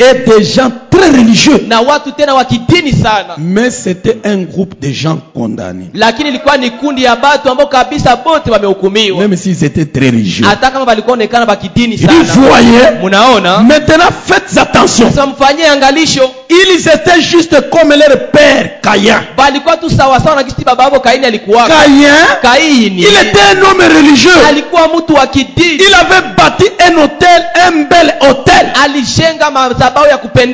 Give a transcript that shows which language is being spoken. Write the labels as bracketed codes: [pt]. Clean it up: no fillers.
[fr] et des gens très religieux [sw] na watu tena wa kidini sana [fr] mais c'était un groupe de gens condamnés [sw] lakini ilikuwa ni kundi ya watu ambao kabisa wote wamehukumiwa [fr] même s'ils étaient très religieux [sw] hata kama walikuwa onekana wa kidini sana [fr] voyez [sw] mnaona [fr] maintenant faites attention [sw] sasa mfanyie angalisho [fr] ils étaient juste comme leur père Caïn [sw] walikuwa tu sawa sawa na kisi baba wao Caïn alikuwa Caïn [fr] il était un homme religieux. Il avait bâti un hôtel, un bel hôtel.